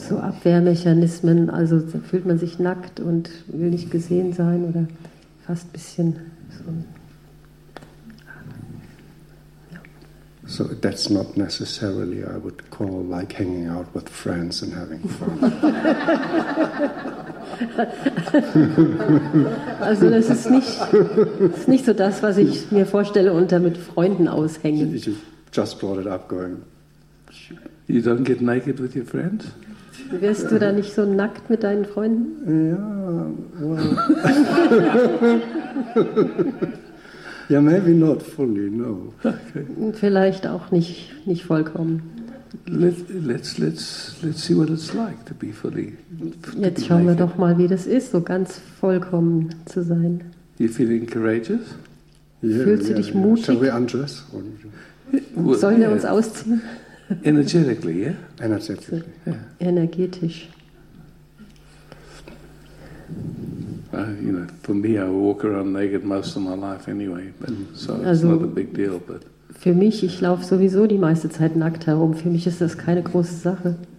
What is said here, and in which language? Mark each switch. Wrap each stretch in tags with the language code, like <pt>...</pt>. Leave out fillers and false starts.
<de>So Abwehrmechanismen. Also fühlt man sich nackt und will nicht gesehen sein oder fast ein bisschen so.</de> <en>So that's not necessarily I would call like hanging out with friends and having fun.</en> <de>Also das ist nicht so das, was ich mir vorstelle unter mit Freunden aushängen.</de> <en>You just brought it up going. You don't get naked with your friends?</en> <de>Wirst du da nicht so nackt mit deinen Freunden? Ja, well.</de> <en>Yeah, maybe not fully, no. Okay.</en> <de>Vielleicht auch nicht vollkommen.</de> <en>Let's see what it's like to be fully.</en> <de>Jetzt schauen wir doch mal, wie das ist, so ganz vollkommen zu sein.</de> <en>You feeling courageous?</en> <de>Fühlst du dich mutig?</de> <en>Shall we undress?</en> <de>Sollen wir uns ausziehen?</de> <en>Energetically, yeah? Energetically. So, yeah.</en> <de>Energetisch.</de> <en>For me, I walk around naked most of my life anyway, so it's not a big deal. But</en> <de>für mich, ich laufe sowieso die meiste Zeit nackt herum. Für mich ist das keine große Sache.</de>